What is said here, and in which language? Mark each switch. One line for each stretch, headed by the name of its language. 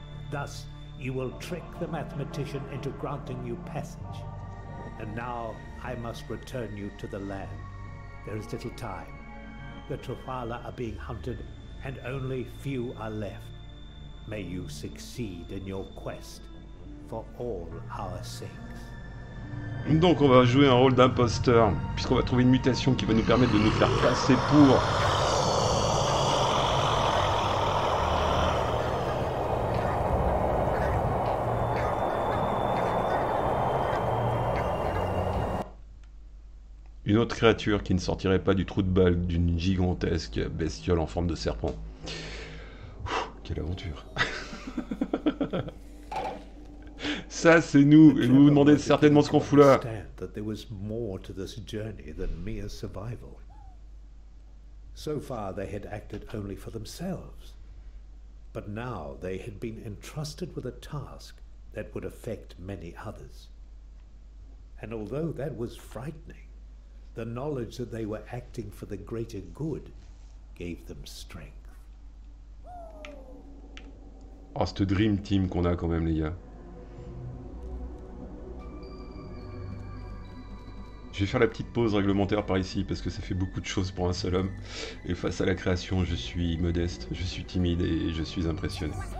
English: Thus, you will trick the Mathematician into granting you passage. And now, I must return you to the land. There is little time. The Trefala are being hunted, and only few are left. May you succeed in your quest, for all our sakes.
French: Donc on va jouer un rôle d'imposteur, puisqu'on va trouver une mutation qui va nous permettre de nous faire passer pour... Une autre créature qui ne sortirait pas du trou de balle d'une gigantesque bestiole en forme de serpent. Ouh, quelle aventure. Ça, c'est nous. Et vous vous demandez certainement ce qu'on fout là.
English: There was more to this journey than mere survival. So far, they had acted only for themselves. But now, they had been entrusted with a task that would affect many others. And although that was frightening, The knowledge that they were acting for the greater good gave them strength.
French: Oh, cette dream team qu'on a quand même, les gars. Je vais faire la petite pause réglementaire par ici parce que ça fait beaucoup de choses pour un seul homme. Et face à la création, je suis modeste, je suis timide et je suis impressionné.